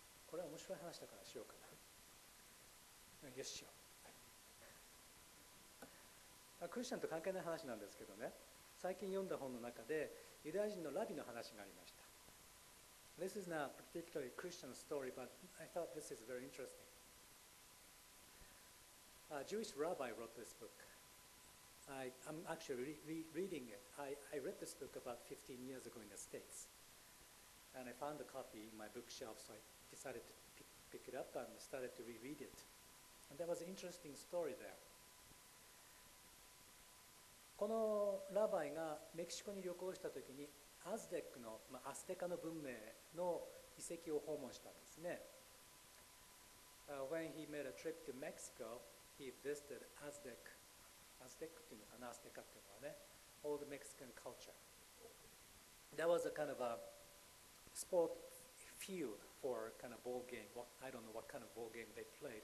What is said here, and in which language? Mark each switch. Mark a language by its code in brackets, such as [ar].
[ja] これは面白い話だからしようかな。よししよう。クリスチャンと関係ない話なんですけどね。最近読んだ本の中で、ユダヤ人のラビの話がありました。 [en] This is not particularly Christian story, but I thought this is very interesting. A Jewish rabbi wrote this book. I'm actually reading it. I read this book about 15 years ago in the States. And I found a copy in my bookshelf, so I decided to pick it up and started to reread it. And there was an interesting story there. [ja] このラバイがメキシコに旅行したときにアステカの、まあ、アステカの文明の遺跡を訪問したんですね。 [en] When he made a trip to Mexico, he visited Aztec. [ja] Aztec っていうのかな、アステカっていうのはね、 [en] old Mexican culture. That was a kind of a sport field for kind of ball game. I don't know what kind of ball game they played.